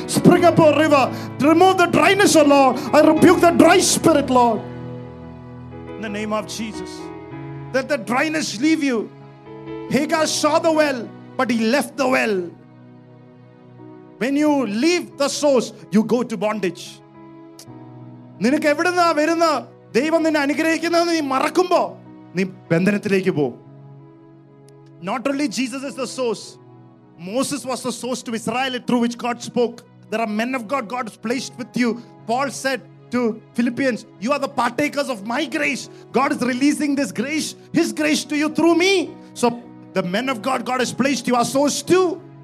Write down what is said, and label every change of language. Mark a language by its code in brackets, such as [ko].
[en] Spring up, oh river. Remove the dryness, oh Lord. I rebuke the dry spirit, Lord. In the name of Jesus. Let the dryness leave you. Hagar saw the well, but he left the well. When you leave the source, you go to bondage. [ml] നിനക്ക് എവിടുന്നാ വരുന്ന ദൈവം നിന്നെ അനുഗ്രഹിക്കുന്നത് നീ മറക്കുമ്പോ നീ ബന്ധനത്തിലേക്ക് പോകും. [en] Not only Jesus is the source. Moses was the source to Israel through which God spoke. There are men of God, God has placed with you. Paul said to Philippians, you are the partakers of my grace. God is releasing this grace, his grace to you through me. So the men of God, God has placed you are source too.